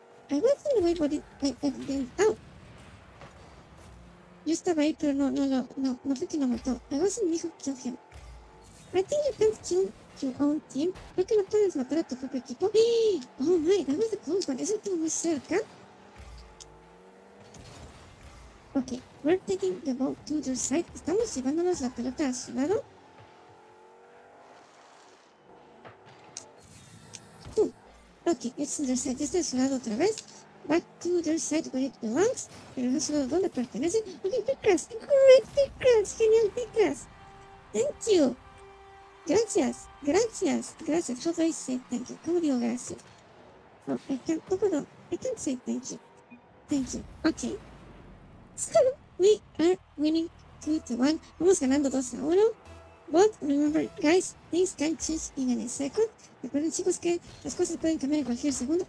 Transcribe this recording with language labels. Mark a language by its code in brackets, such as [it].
[en] I was in the way, but it didn't. Ow! [es] Yo estaba ahí, pero no fue que lo mató. [en] I wasn't me who killed him. I think you can't kill your own team. [es] Creo que no puedes matar a tu propio equipo. [en] Oh my, that was the close one. [es] Eso estuvo muy cerca. [en] Ok, we're taking the ball to your side. [es] Estamos llevándonos la pelota a su lado. [en] Ok, it's in their side. [es] Este es su lado otra vez. [en] Back to their side where it belongs. [es] Pero no es su lado donde pertenece. Ok, FiCrAz. Correct, FiCrAz. Genial, FiCrAz. [en] Thank you. [es] Gracias, gracias, gracias. [en] How do I say thank you? [es] ¿Cómo digo gracias? [en] Oh, I can't say thank you. Thank you. Okay. So, we are winning 2-1. [es] Vamos ganando 2-1. [en] But remember, guys, things can change in a second. [es] Recuerden, chicos, que las cosas pueden cambiar en cualquier segundo.